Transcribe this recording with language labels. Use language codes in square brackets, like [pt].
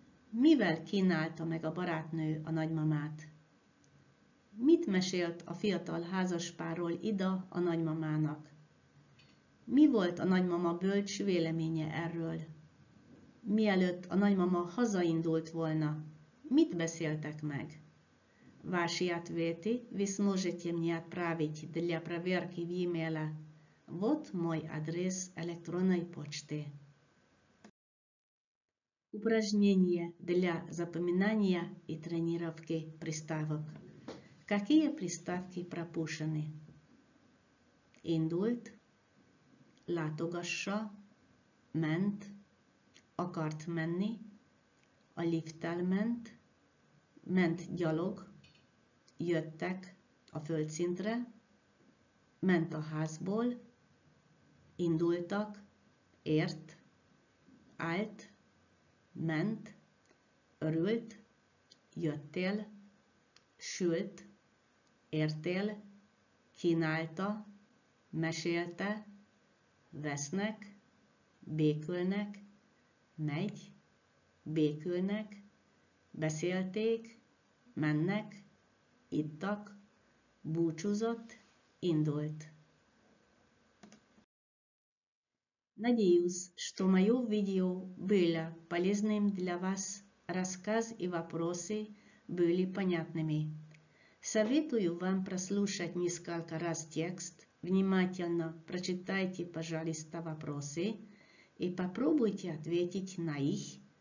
[hu] Mivel kínálta meg a barátnő a nagymamát? Mit mesélt a fiatal házaspárról Ida a nagymamának? Mi volt a nagymama bölcs véleménye erről? Mielőtt a nagymama hazaindult volna, mit beszéltek meg? [ru] Ваши ответы вы сможете мне отправить для проверки в e-mail. Вот мой адрес электронной почты. Упражнение для запоминания и тренировки приставок. Какие приставки пропущены? [hu] Индульт. Látogassa, ment, akart menni, a lifttel ment, ment gyalog, jöttek a földszintre, ment a házból, indultak, ért, állt, ment, örült, jöttél, sült, értél, kínálta, mesélte, vesznek, békülnek, megy, békülnek, beszélték, mennek, ittak, búcsúzott, indult. [ru] Надеюсь, что мое видео было полезным для вас. Рассказ и вопросы были понятными. Советую вам прослушать несколько раз текст. Внимательно прочитайте, пожалуйста, вопросы и попробуйте ответить на них.